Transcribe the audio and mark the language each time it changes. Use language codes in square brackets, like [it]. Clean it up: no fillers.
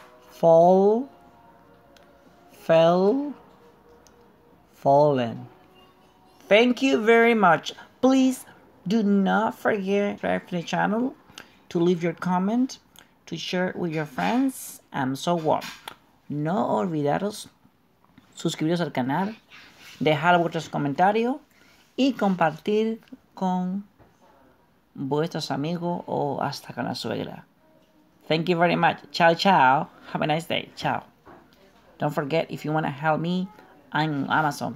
[en] Fall, fell, fallen. Thank you very much. Please do not forget to subscribe to the channel, to leave your comment, to share it with your friends, and so on. [es] No olvidaros suscribiros al canal, dejar vuestros comentarios y compartir con vuestros amigos o hasta con la suegra. [en] Thank you very much. Ciao, ciao. Have a nice day. Ciao. Don't forget, if you want to help me, I'm Amazon.